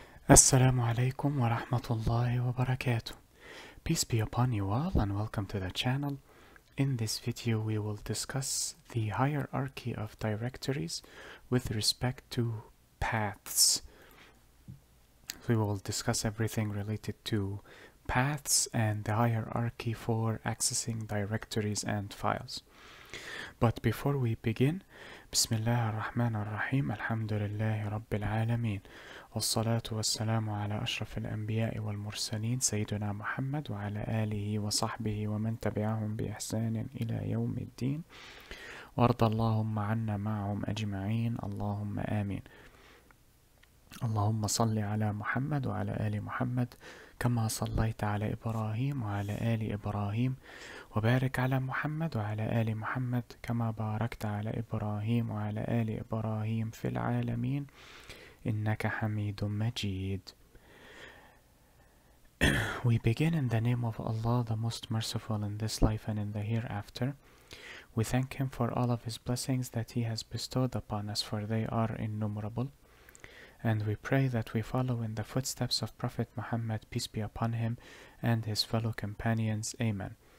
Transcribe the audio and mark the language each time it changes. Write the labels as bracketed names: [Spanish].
[Arabic] السلام عليكم ورحمة الله وبركاته. [English] Peace be upon you all and welcome to the channel. In this video we will discuss the hierarchy of directories with respect to paths. We will discuss everything related to paths and the hierarchy for accessing directories and files. But before we begin, [Arabic] بسم الله الرحمن الرحيم الحمد لله رب العالمين والصلاة والسلام على أشرف الأنبياء والمرسلين سيدنا محمد وعلى آله وصحبه ومن تبعهم بإحسان إلى يوم الدين وارض اللهم عنا معهم أجمعين اللهم آمين اللهم صل على محمد وعلى آل محمد كما صليت على إبراهيم وعلى آل إبراهيم وبارك على محمد وعلى آل محمد كما باركت على إبراهيم وعلى آل إبراهيم في العالمين إنك حميد مجيد. [English] We begin in the name of Allah, the most merciful in this life and in the hereafter. We thank Him for all of His blessings that He has bestowed upon us, for they are innumerable. And we pray that we follow in the footsteps of Prophet Muhammad, peace be upon him, and his fellow companions. Amen.